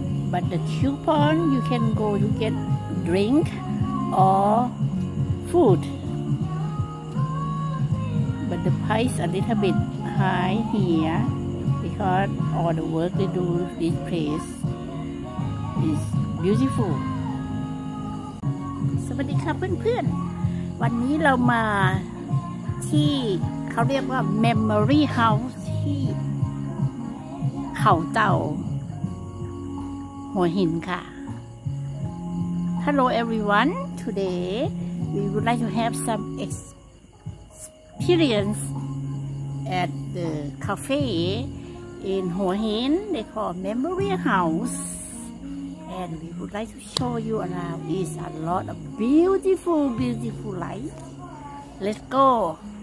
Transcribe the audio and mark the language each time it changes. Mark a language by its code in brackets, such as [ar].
[en] But the coupon, you can go to get drink or food. But the price a little bit high here because all the work they do this place is beautiful. [th] สวัสดีครับเพื่อนๆวันนี้เรามาที่เขาเรียกว่า Memory House ที่เขาเต่าหัวหินค่ะ [en] Hello everyone, today we would like to have some experience at the cafe in Hua Hin. They call Memory House, and we would like to show you around. It's a lot of beautiful, beautiful light. Let's go.